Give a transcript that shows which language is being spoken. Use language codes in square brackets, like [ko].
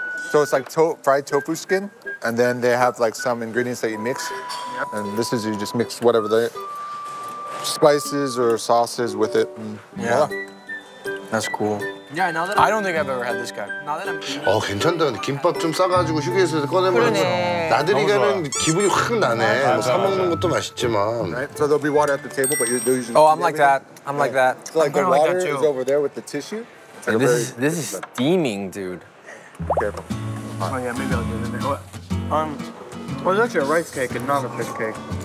[en] So it's like fried tofu skin, and then they have like some ingredients that you mix. Yep. And this is, you just mix whatever the spices or sauces with it. Yeah. That's cool. Yeah, now that I'm... I don't think I've ever had this guy. Now that I'm... 괜찮다. [ko] 김밥 좀 싸가지고 휴게소에서 꺼내면 나들이 가는 기분이 확 나네. 사 먹는 것도 맛있지만. [en] So there'll be water at the table, but you're using... Oh, I'm like that. I'm like that. So like the water is over there with the tissue. This is steaming, dude. Careful. Oh, yeah, maybe I'll get it in there. Well, it's actually a rice cake and not a fish cake.